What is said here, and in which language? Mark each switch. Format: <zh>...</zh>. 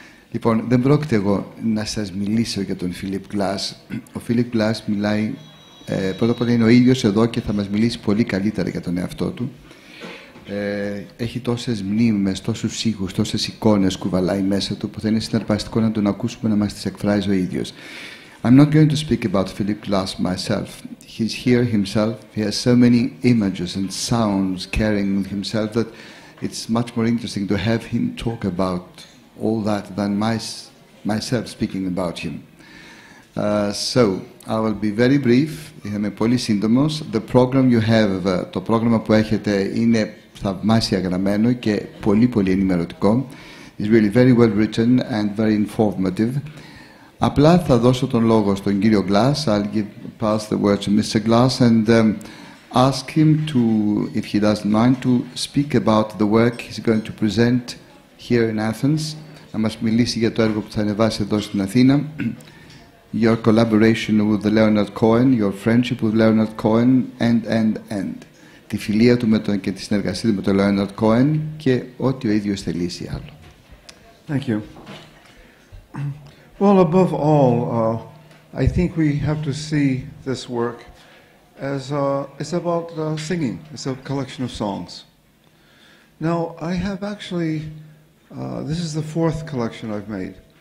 <el>Λοιπόν, δεν πρόκειται εγώ να σας μιλήσω για τον Φίλιπ Γκλάς. Ο Φίλιπ Γκλάς μιλάει, πρώτα απ' όλα είναι ο ίδιος εδώ και θα μας μιλήσει πολύ καλύτερα για τον εαυτό του. Έχει τόσες μνήμες, τόσους ήχους, τόσες εικόνες κουβαλάει μέσα του που θα είναι συναρπαστικό να τον ακούσουμε να μας τις εκφράζει ο ίδιος.</el> <en>I'm not going to speak about Philip Glass myself. He's here himself. He has so many images and sounds carrying with himself that it's much more interesting to have him talk about all that than myself speaking about him. So I will be very brief.</en> <el>Είμαι πολύ σύντομος.</el> <en>The program you have,</en> <el>το πρόγραμμα που έχετε είναι θαυμάσια γραμμένο και πολύ πολύ ενημερωτικό.</el> <en>It's really very well written and very informative.</en> <el>Απλά θα δώσω τον λόγο στον κύριο Γκλάς.</el> <en>I'll pass the word to Mr. Glass and ask him to, if he doesn't mind, to speak about the work he's going to present here in Athens.</en> <el>Να μας μιλήσει για το έργο που θα ανεβάσει εδώ στην Αθήνα.</el> <en>Your collaboration with Leonard Cohen, your friendship with Leonard Cohen, and.</en> <el>Τη φιλία του με τον, και τη συνεργασία του με τον Leonard Cohen και ό,τι ο ίδιος θελήσει άλλο.</el> <en>Thank you. Well, above all, I think we have to see this work as it's about singing. It's a collection of songs. Now, I have actually, this is the fourth collection I've made.</en>